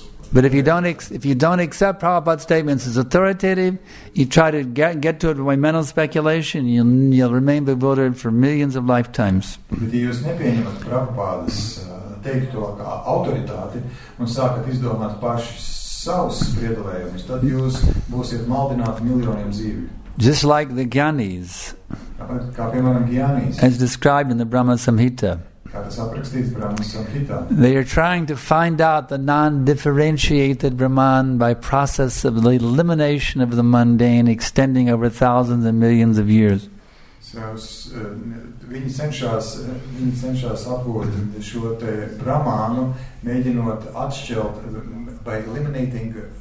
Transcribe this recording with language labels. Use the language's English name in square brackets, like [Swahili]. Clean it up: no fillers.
[English] But if you don't accept Prabhupada's statements as authoritative, you try to get to it by mental speculation, you'll remain bewildered for millions of lifetimes. [Latvian] Bet ja jūs nepieņemat Prabhupādas teikto kā autoritāti un sākat izdomāt paši savus spriedelējumus, tad jūs būsiet maldināti miljoniem dzīvi. [English] Just like the Gyanis. [Latvian] Kā piemēram Gyanis. [English] As described in the Brahma Samhita. They are trying to find out the non-differentiated Brahman by process of the elimination of the mundane extending over thousands and millions of years. [Latvian] So, viņi cenšas apgūt šo te Brahmanu, mēģinot atšķelt [English] by eliminating.